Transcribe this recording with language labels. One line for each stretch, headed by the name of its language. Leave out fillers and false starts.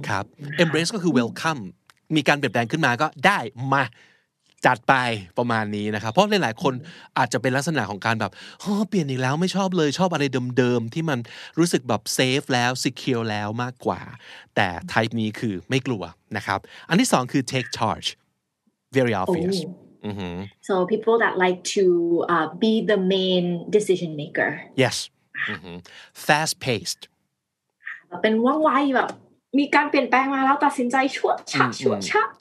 Thai: ครับ embrace ก็คือ welcome มีการเปลี่ยนแปลงขึ้นมาก็ได้มาจัดไปประมาณนี้นะครับเพราะหลายๆคนอาจจะเป็นลักษณะของการแบบเปลี่ยนอีกแล้วไม่ชอบเลยชอบอะไรเดิมๆที่มันรู้สึกแบบเซฟแล้วซีเคียวแล้วมากกว่าแต่ type นี้คือไม่กลัวนะครับอันที่สองคือ
English: take charge very obvious so people that like to be the main decision maker yes fast paced
Thai: เป็นว่องไวแบบมีการเปลี่ยนแปลงมาแล้วตัดสินใจชวดชะชวดชะ